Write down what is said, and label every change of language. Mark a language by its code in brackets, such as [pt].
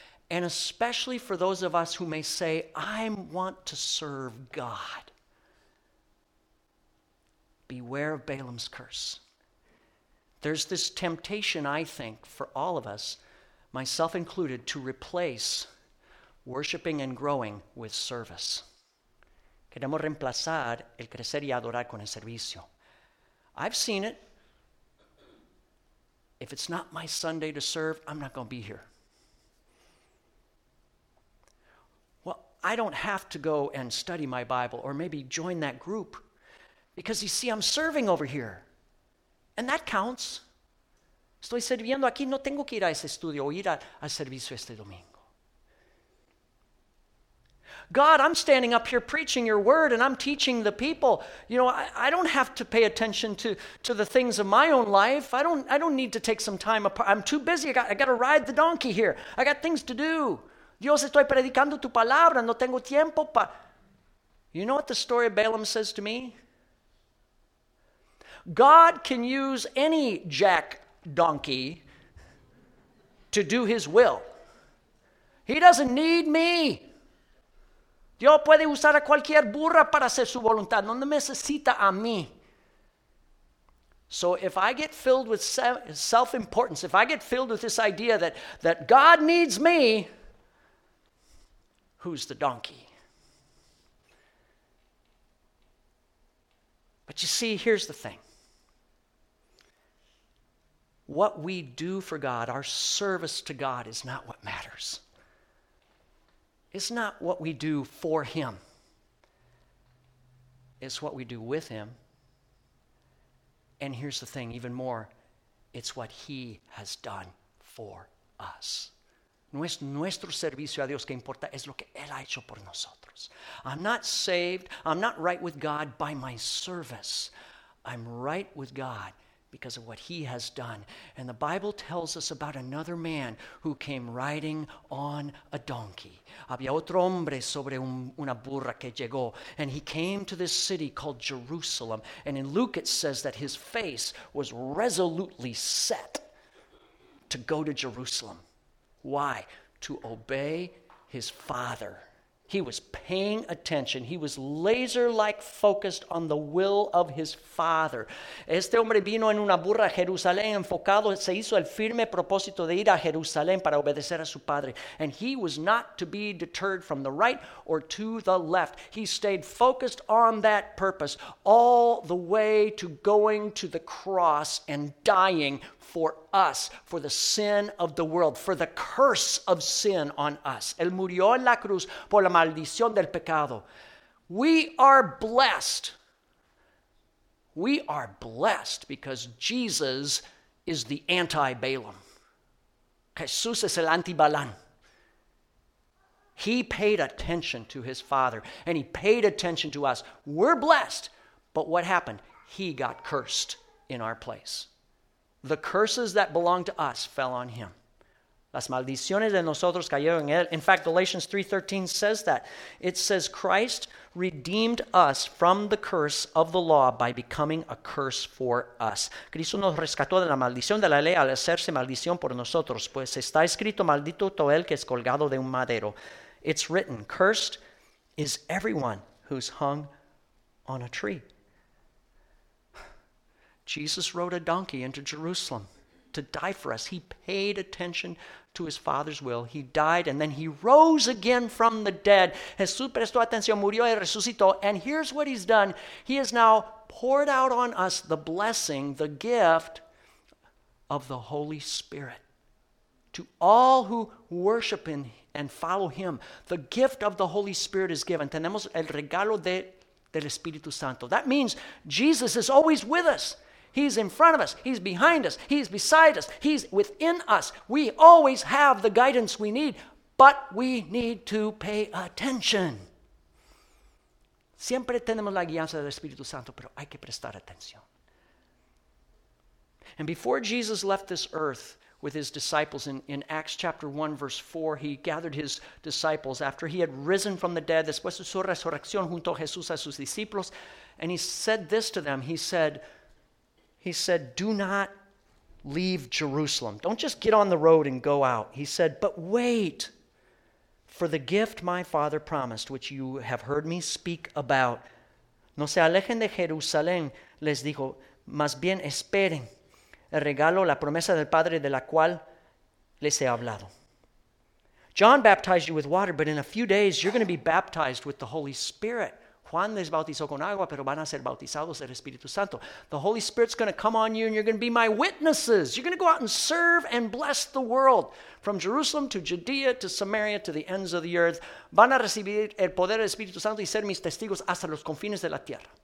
[en] And especially for those of us who may say, I want to serve God. Beware of Balaam's curse. There's this temptation, I think, for all of us, myself included, to replace worshiping and growing with service. [es] Queremos reemplazar el crecer y adorar con el servicio. [en] I've seen it. If it's not my Sunday to serve, I'm not going to be here. Well, I don't have to go and study my Bible or maybe join that group because, you see, I'm serving over here. And that counts. [es] Estoy sirviendo aquí, no tengo que ir a ese estudio o ir al servicio este domingo. [en] God, I'm standing up here preaching your word and I'm teaching the people. You know, I don't have to pay attention to the things of my own life. I don't need to take some time apart. I'm too busy. I got to ride the donkey here. I got things to do. [es] Dios, estoy predicando tu palabra. No tengo tiempo para... [en] You know what the story of Balaam says to me? God can use any jack donkey to do his will. He doesn't need me. [es] Dios puede usar a cualquier burra para hacer su voluntad. No necesita a mí. [en] So if I get filled with self-importance, if I get filled with this idea that God needs me, who's the donkey? But you see, here's the thing. What we do for God, our service to God, is not what matters. It's not what we do for him. It's what we do with him. And here's the thing, even more, it's what he has done for us. [es] No es nuestro servicio a Dios que importa, es lo que él ha hecho por nosotros. [en] I'm not saved, I'm not right with God by my service. I'm right with God because of what he has done. And the Bible tells us about another man who came riding on a donkey. [es] Había otro hombre sobre una burra que llegó. [en] And he came to this city called Jerusalem. And in Luke it says that his face was resolutely set to go to Jerusalem. Why? To obey his father. He was paying attention. He was laser-like focused on the will of his father. [es] Este hombre vino en una burra a Jerusalén enfocado. Se hizo el firme propósito de ir a Jerusalén para obedecer a su padre. [en] And he was not to be deterred from the right or to the left. He stayed focused on that purpose all the way to going to the cross and dying for us, for the sin of the world, for the curse of sin on us. [es] Él murió en la cruz por la maldición del pecado. [en] We are blessed. We are blessed because Jesus is the anti-Balaam. [es] Jesús es el anti-Balán. [en] He paid attention to his father and he paid attention to us. We're blessed, but what happened? He got cursed in our place. The curses that belong to us fell on him. [es] Las maldiciones de nosotros cayeron en él. [en] In fact, Galatians 3:13 says that. It says, Christ redeemed us from the curse of the law by becoming a curse for us. [es] Cristo nos rescató de la maldición de la ley al hacerse maldición por nosotros, pues está escrito, maldito todo el que es colgado de un madero. [en] It's written, cursed is everyone who's hung on a tree. Jesus rode a donkey into Jerusalem to die for us. He paid attention to his father's will. He died and then he rose again from the dead. [es] Jesús prestó atención, murió y resucitó. [en] And here's what he's done. He has now poured out on us the blessing, the gift of the Holy Spirit to all who worship him and follow him. The gift of the Holy Spirit is given. [es] Tenemos el regalo del Espíritu Santo. [en] That means Jesus is always with us. He's in front of us. He's behind us. He's beside us. He's within us. We always have the guidance we need, but we need to pay attention. [es] Siempre tenemos la guianza del Espíritu Santo, pero hay que prestar atención. [en] And before Jesus left this earth with his disciples in Acts chapter 1, verse 4, he gathered his disciples after he had risen from the dead, [es] después de su resurrección junto a Jesús a sus discípulos, [en] and he said this to them. He said, do not leave Jerusalem. Don't just get on the road and go out. He said, but wait for the gift my father promised, which you have heard me speak about. [es] No se alejen de Jerusalén, les dijo, más bien esperen el regalo, la promesa del Padre de la cual les he hablado. [en] John baptized you with water, but in a few days you're going to be baptized with the Holy Spirit. [es] Juan les bautizó con agua, pero van a ser bautizados del Espíritu Santo. [en] The Holy Spirit's going to come on you and you're going to be my witnesses. You're going to go out and serve and bless the world. From Jerusalem to Judea to Samaria to the ends of the earth. [es] Van a recibir el poder del Espíritu Santo y ser mis testigos hasta los confines de la tierra.